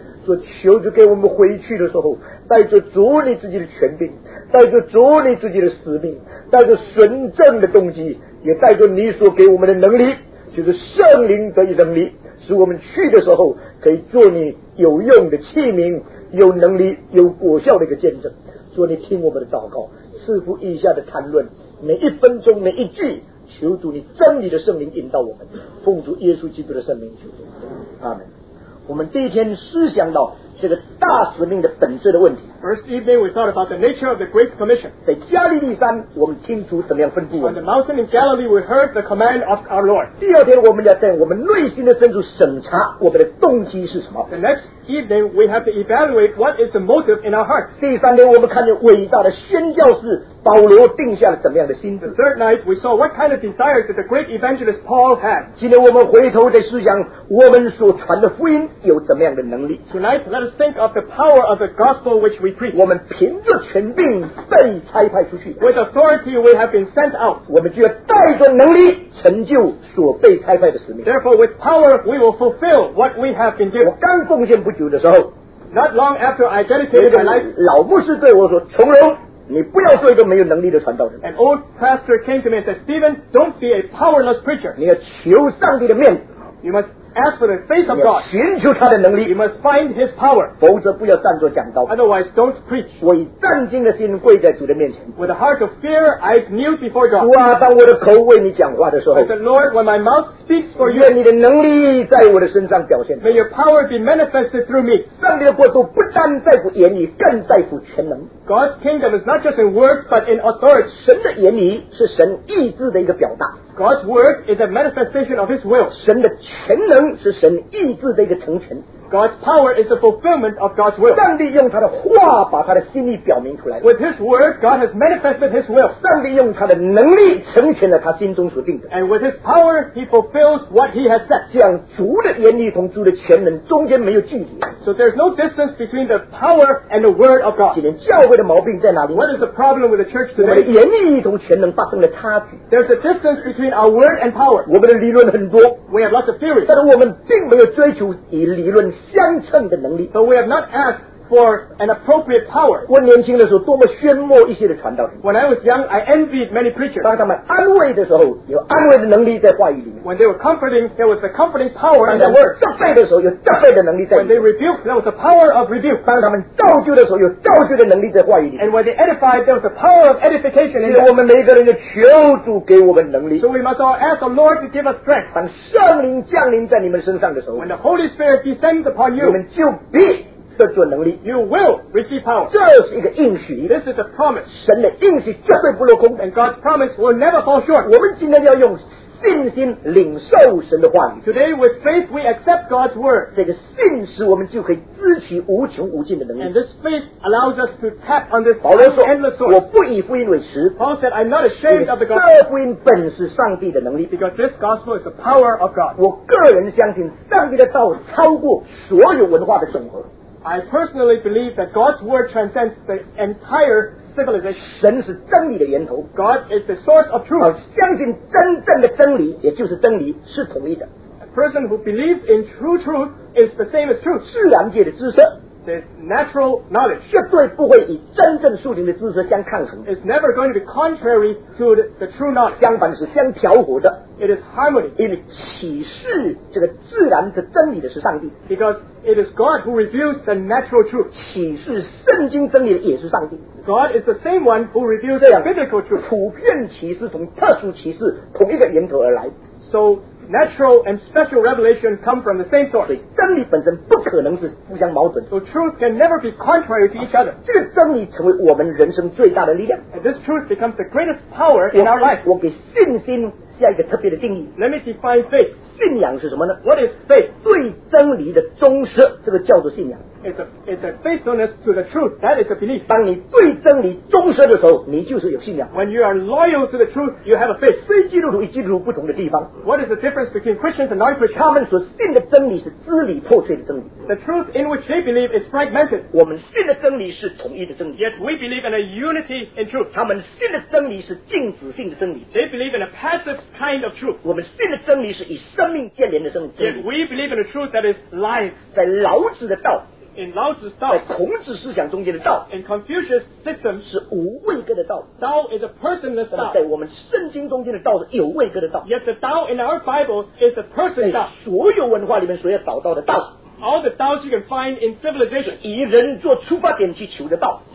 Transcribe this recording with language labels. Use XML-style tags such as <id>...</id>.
<zh>说求主给我们回去的时候带着主你自己的权柄带着主你自己的使命带着纯正的动机也带着你所给我们的能力就是圣灵得以能力使我们去的时候可以做你有用的器皿有能力有果效的一个见证说你听我们的祷告赐福以下的谈论每一分钟每一句求主你真理的圣灵引导我们奉主耶稣基督的圣灵求主阿们我们第一天思想到这个大使命的本质的问题</zh> <en>First evening we thought about the nature of the Great Commission</en> <zh>在加利利山我们听主怎么样吩咐我们</zh> <en>On the mountain in Galilee we heard the command of our Lord</en> <zh>第二天我们要在我们内心的深处审查我们的动机是什么</zh> <en>The next evening we have to evaluate what is the motive in our heart</en> <zh>第三天我们看见伟大的宣教士保罗定下了怎么样的心志</zh> <en>The third night we saw what kind of desire did the great evangelist Paul have</en> <zh>今天我们回头在思想我们所传的福音有怎么样的能力</zh> <en>Tonight let us think of the power of the gospel which we preach</en> <zh>我们凭着权柄被差派出去</zh> <en>With authority we have been sent out</en> <zh>我们就要带着能力成就所被差派的使命</zh> <en>Therefore with power we will fulfill what we have been given</en> <zh>我刚奉献不久的时候</zh> <en>Not long after I dedicated my life</en> <zh>老牧师对我说从容你不要做一个没有能力的传道人</zh> <en>An old pastor came to me and said Stephen, don't be a powerless preacher</en> <zh>你要求上帝的面</zh> <en>You must ask for the face of God</en> <zh>你要寻求他的能力</zh> <en>You must find his power</en> <zh>否则不要站着讲道</zh> <en>Otherwise, don't preach</en> <zh>我以战惊的心跪在主的面前</zh> <en>With a heart of fear, I kneel before God</en> <zh>主啊当我的口为你讲话的时候</zh> <en>I said, Lord, when my mouth speaks for you</en> <zh>愿你的能力在我的身上表现</zh> <en>May your power be manifested through me</en> <zh>上帝的国度不单在乎言语更在乎全能</zh> <en>God's kingdom is not just in words but in authority</en> <zh>神的言语是神意志的一个表达</zh> <en>God's word is a manifestation of his will</en> <zh>神的全能是神意志的一个成全</zh> <en>God's power is the fulfillment of God's will</en> <zh>上帝用他的话把他的心意表明出来</zh> <en>With his word God has manifested his will</en> <zh>上帝用他的能力成全了他心中所定的</zh> <en>And with his power he fulfills what he has said</en> <zh>这样主的言语同主的全能中间没有距离</zh> <en>So there's no distance between the power and the word of God</en> <zh>今天教会的毛病在哪里</zh> <en>What is the problem with the church today</en> <zh>我们的言语同全能发生了差距</zh> <en>There's a distance between our word and power</en> <zh>我们的理论很多</zh> <en>We have lots of theories</en> <zh>但是我们并没有追求以理论相称的能力</zh> <en>But we have not asked for an appropriate power.</en> <zh>我年轻的时候多么宣慕一些的传道人。</zh> <en>When I was young, I envied many preachers.</en> <zh>当他们安慰的时候，有安慰的能力在话语里面。</zh> <en>When they were comforting, there was a comforting power in the word.</en> <zh>当他们责备的时候，有责备的能力在。</zh> <en>When they rebuked, there was a power of rebuke.</en> <zh>当他们造就的时候，有造就的能力在话语里面。</zh> <en>And when they edified, there was a power of edification.</en> <zh>所以我们每个人要求主给我们能力。</zh> <en>So we must all ask the Lord to give us strength.</en> <zh>当圣灵降临在你们身上的时候</zh> <en>，When the Holy Spirit descends upon you,</en> <zh>你们就必得着能力。</zh> <en>You will receive power.</en> <zh>这是一个应许。</zh> <en>This is a promise.</en> <zh>神的应许绝对不落空。</zh> <en>And God's promise will never fall short.</en> <zh>我们今天要用信心领受神的话语。</zh> <en>Today with faith we accept God's word.</en> <zh>这个信使我们就可以支取无穷无尽的能力。</zh> <en>And this faith allows us to tap on this endless source. 保罗</en> <zh>说：“我不以福音为耻。”</zh> <en>Paul said, "I'm not ashamed of the gospel."</en> <zh>这福音本是上帝的能力。</zh> <en>Because this gospel is the power of God.</en> <zh>我个人相信上帝的道超过所有文化的总和。</zh> <en>I personally believe that God's word transcends the entire civilization.</en> <zh>神是真理的源头。</zh> <en>God is the source of truth.</en> <zh>相信真正的真理，也就是真理，是统一的。</zh> <en>A person who believes in true truth is the same as truth.</en> <zh>自然界的知识。</zh> <en>This natural knowledge</en> <zh>绝对不会与真正属灵的知识相抗衡。</zh> <en>It's never going to be contrary to the true knowledge.</en> <zh>相反是相调和的。</zh> <en>It is harmony.</en> <zh>因为启示这个自然的真理的是上帝。</zh> <en>Because it is God who reveals the natural truth.</en> <zh>启示圣经真理的也是上帝。</zh> <en>God is the same one who reveals the biblical truth.</en> <zh>普遍启示同特殊启示同一个源头而来。</zh> <en>So. Natural and special revelation come from the same source.</en> <zh>真理本身不可能是互相矛盾。</zh> <en>So truth can never be contrary to each other.</en> <zh>这个真理成为我们人生最大的力量。</zh> <en>And this truth becomes the greatest power in our life.</en> <zh>我给信心下一个特别的定义。</zh> <en>Let me define faith.</en> <zh>信仰是什么呢</zh> <en>？What is faith?</en> <zh>对真理的忠实，这个叫做信仰。</zh> <en>It's a faithfulness to the truth. That is a belief.</en> <zh>当你对真理忠实的时候，你就是有信仰。</zh> <en>When you are loyal to the truth, you have a faith.</en> <zh>非基督徒与基督徒不同的地方。</zh> <en>What is the difference between Christians and non-Christians?</en> <zh>他们所信的真理是支离破碎的真理。</zh> <en>The truth in which they believe is fragmented.</en> <zh>我们信的真理是统一的真理。</zh> <en>Yet we believe in a unity in truth.</en> <zh>他们信的真理是静止性的真理。</zh> <en>They believe in a passive kind of truth.</en> <zh>我们信的真理是以生命建连的真理。</zh> <en>Yet we believe in a truth that is life.</en> <zh>在老子的道。</zh> <en>In Lao Tzu's 道，</en> <zh>在孔子思想中间的道</zh> <en>，In Confucius' system</en> <zh>是无位格的道。</zh> <en>Tao is a personless 道，</en> <zh>在我们圣经中间的道是有位格的道。</zh> <en>Yet the Tao in our Bible is a person 道，</en> <zh>所有文化里面所要找到的道。</zh> <en>All the Taos you can find in civilization</en> <zh>以人做出发点去求的道</zh>